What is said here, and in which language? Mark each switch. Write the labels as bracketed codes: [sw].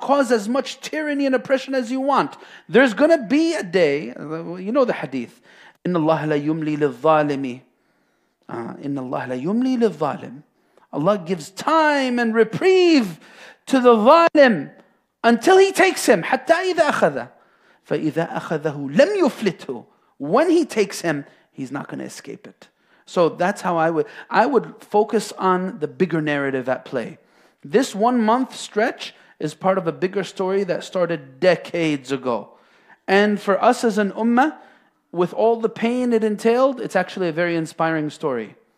[en] Cause as much tyranny and oppression as you want. There's going to be a day, you know the hadith, [ar] إِنَّ اللَّهَ لَيُمْلِي لِلظَّالِمِ [en] إِنَّ اللَّهَ لَيُمْلِي لِلظَّالِمِ. Allah gives time and reprieve to the ظالم until he takes him. [ar] حتى إذا أخذه فإذا أخذه لم يفلته. [en] When he takes him, he's not going to escape it. So that's how I would focus on the bigger narrative at play. This 1 month stretch is part of a bigger story that started decades ago. And for us as an ummah, with all the pain it entailed, it's actually a very inspiring story.